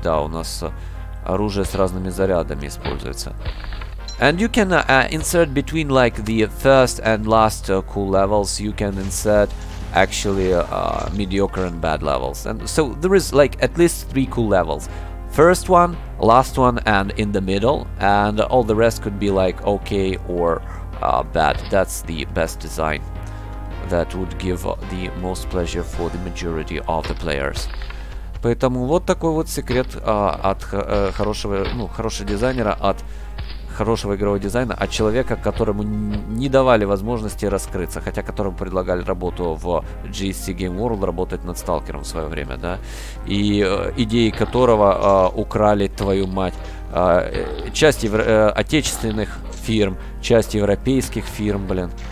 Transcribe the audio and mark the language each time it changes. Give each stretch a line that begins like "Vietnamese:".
Russian: Да, у нас оружие с разными зарядами используется.
English: And you can insert between like the first and last cool levels. You can insert actually mediocre and bad levels. And so there is like at least three cool levels. First one, last one, and in the middle. And all the rest could be like okay or bad. That's the best design that would give the most pleasure for the majority of the players.
Russian: Поэтому вот такой вот секрет от хорошего, ну, хорошего дизайнера, от хорошего игрового дизайна, от человека, которому не давали возможности раскрыться, хотя которому предлагали работу в GSC Game World, работать над сталкером в свое время, да, и идеи которого украли твою мать часть отечественных фирм, часть европейских фирм, блин.